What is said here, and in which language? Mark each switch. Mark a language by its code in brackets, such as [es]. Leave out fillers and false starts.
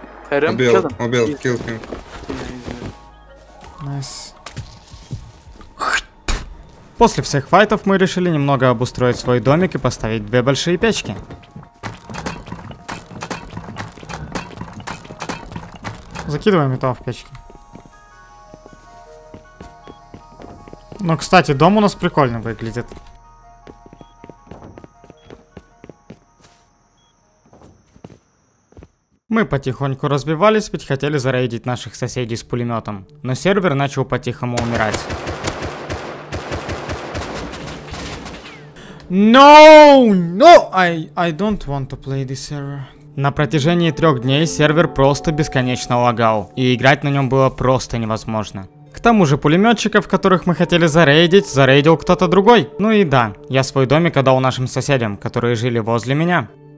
[ru] Убил, [en] kill him. Nice. [ru] После всех файтов мы решили немного обустроить свой домик и поставить две большие печки. Закидываем металл в печки. Ну, кстати, дом у нас прикольно выглядит. Мы потихоньку развивались, ведь хотели зарейдить наших соседей с пулеметом. Но сервер начал по-тихому умирать. [en] No, no, I don't want to play this server. [ru] На протяжении 3 дней сервер просто бесконечно лагал, и играть на нем было просто невозможно. К тому же пулеметчиков, которых мы хотели зарейдить, зарейдил кто-то другой. Ну и да, я свой домик отдал нашим соседям, которые жили возле меня.